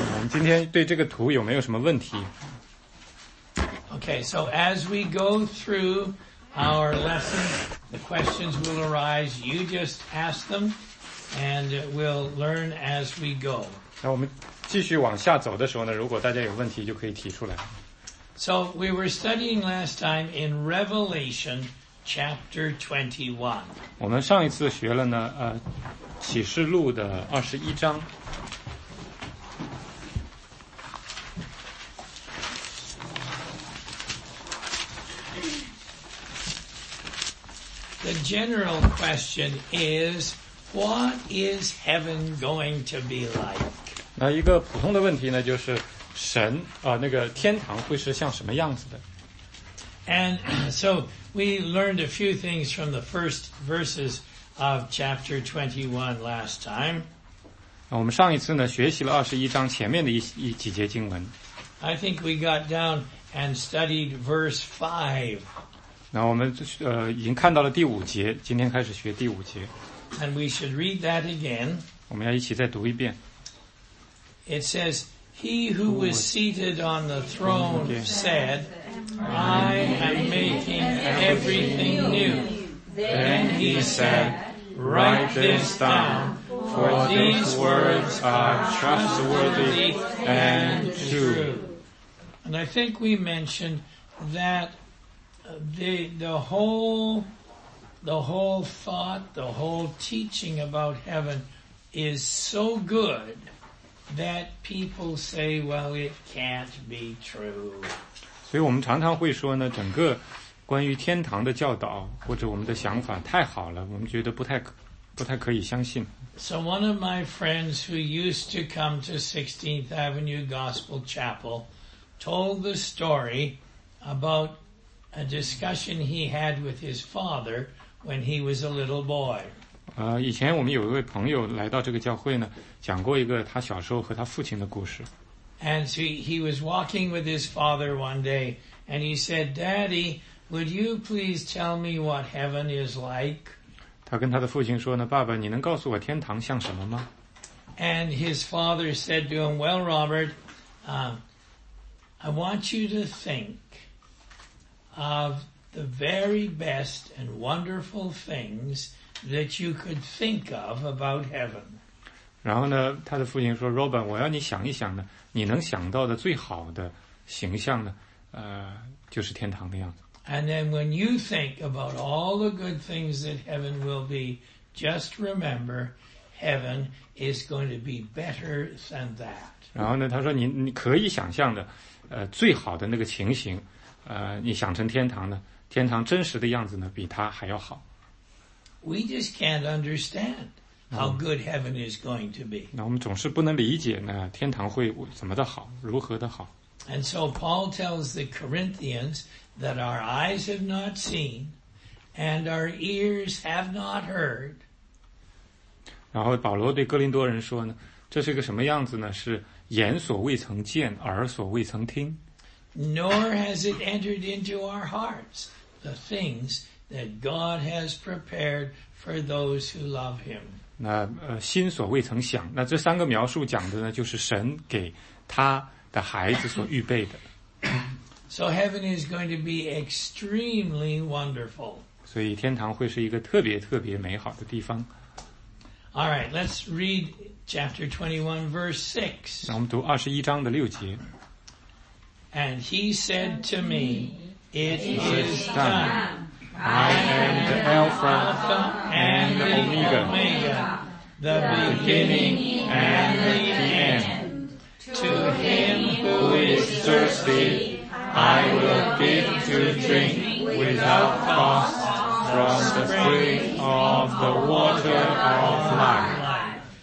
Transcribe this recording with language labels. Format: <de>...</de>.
<zh>今天对这个图有没有什么问题</zh> <en>？Okay, so as we go through our lesson, the questions will arise. You just ask them, and we'll learn as we go.</en> <zh>那我们继续往下走的时候呢，如果大家有问题，就可以提出来。</zh> <en>So we were studying last time in Revelation chapter 21.</en> <zh>我们上一次学了呢，启示录的二十一章。</zh> <en>The general question is, what is heaven going to be like?</en> <zh>那一个普通的问题呢，就是神啊，那个天堂会是像什么样子的？</zh> <en>And so we learned a few things from the first verses of chapter 21 last time.</en> <zh>我们上一次呢，学习了二十一章前面的一几节经文。</zh> <en>I think we got down and studied verse 5.</en> <zh>那我们已经看到了第五节，今天开始学第五节。</zh> <en>And we should read that again.</en> <zh>我们要一起再读一遍。</zh> <en>It says, He who was seated on the throne said, I am making everything new. Then he said, Write this down, for these words are trustworthy and true. And I think we mentioned thatThe whole thought, the whole teaching about heaven is so good that people say, well, it can't be true.</en> <zh>所以我们常常会说呢，整个关于天堂的教导或者我们的想法太好了，我们觉得不太可以相信。</zh> <en>So one of my friends who used to come to 16th Avenue Gospel Chapel told the story aboutA discussion he had with his father when he was a little boy.</en> <zh>以前我们有一位朋友来到这个教会呢，讲过一个他小时候和他父亲的故事。</zh> <en>And so he was walking with his father one day, and he said, Daddy, would you please tell me what heaven is like?</en> <zh>他跟他的父亲说呢，爸爸，你能告诉我天堂像什么吗？</zh> <en>And his father said to him, Well, Robert, I want you to think. Of the very best and wonderful things that you could think of about heaven.</en> <zh>然后呢，他的父亲说 ，Robin， 我要你想一想呢，你能想到的最好的形象呢，就是天堂的样子。</zh> <en>And then when you think about all the good things that heaven will be, just remember, heaven is going to be better than that.</en> <zh>然后呢，他说你可以想象的，最好的那个情形。你想成天堂呢？天堂真实的样子呢，比它还要好。</zh> <en>We just can't understand how good heaven is going to be.</en> <zh>那我们总是不能理解呢，天堂会怎么的好，如何的好。</zh> <en>And so Paul tells the Corinthians that our eyes have not seen, and our ears have not heard.</en> <zh>然后保罗对哥林多人说呢，这是个什么样子呢？是眼所未曾见，耳所未曾听。</zh> <en>Nor has it entered into our hearts the things that God has prepared for those who love Him.</en> <zh>那心所未曾想，那这三个描述讲的呢，就是神给他的孩子所预备的。</zh> <en>So heaven is going to be extremely wonderful.</en> <zh>所以天堂会是一个特别特别美好的地方。</zh> <en>All right, let's read chapter 21, verse 6.</en> <zh>那我们读二十一章的六节。</zh> <en>And he said to me, It is done. I am the Alpha and the Omega, the beginning and the end. To him who is thirsty, I will give to drink without cost from the spring of the water of life.</en>